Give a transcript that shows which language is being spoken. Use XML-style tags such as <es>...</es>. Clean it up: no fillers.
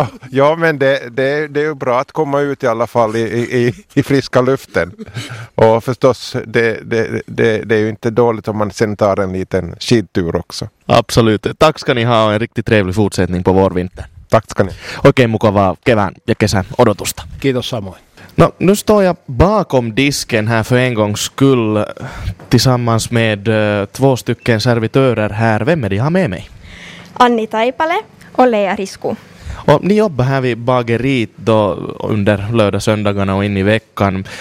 <sv>Ja, men det är ju bra att komma ut i alla fall i friska luften. Och förstås, det är ju inte dåligt om man sen tar en liten skidtur också. Absolut. Tack ska ni ha och en riktigt trevlig fortsättning på vår vinter. Tack ska ni.</sv> <fi>Oikein mukavaa kevään ja kesän odotusta. Kiitos samoin.</fi> <sv>No, nu står jag bakom disken här för en gångs skull tillsammans med 2 stycken servitörer här. Vem är de här med mig? Anni Taipale och Lea Risku. Och ni jobbar här vid bageriet då under lördagsöndagarna och in i veckan.</sv>